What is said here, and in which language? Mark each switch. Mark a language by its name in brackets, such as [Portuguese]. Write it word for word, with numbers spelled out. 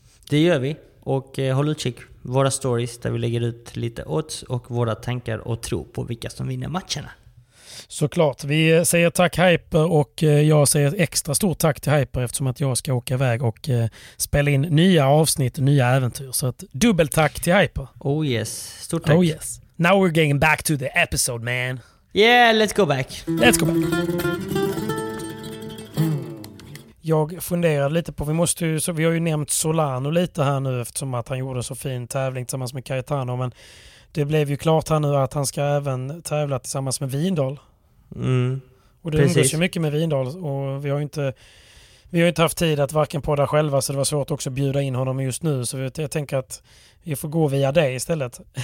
[Swedish] Det gör vi, och eh, håll utkik våra stories där vi lägger ut lite odds och våra tankar och tro på vilka som vinner matcherna. Såklart. Vi säger tack Hyper, och jag säger ett extra stort tack till Hyper eftersom att jag ska åka iväg och spela in nya avsnitt och nya äventyr. Så ett dubbelt tack till Hyper. [English] Oh yes. [Swedish] Stort tack. [English] Oh yes. Now we're getting back to the episode, man. Yeah, let's go back. Let's go back. [Swedish] Jag funderar lite på, vi, måste ju, så, vi har ju nämnt Solano lite här nu eftersom att han gjorde en så fin tävling tillsammans med Cayetano, men det blev ju klart här nu att han ska även tävla tillsammans med Vindal. Mm. Och det umgås ju mycket med Vindal och vi har ju inte, vi har inte haft tid att varken podda själva, så det var svårt också att bjuda in honom just nu, så jag tänker att vi får gå via dig istället.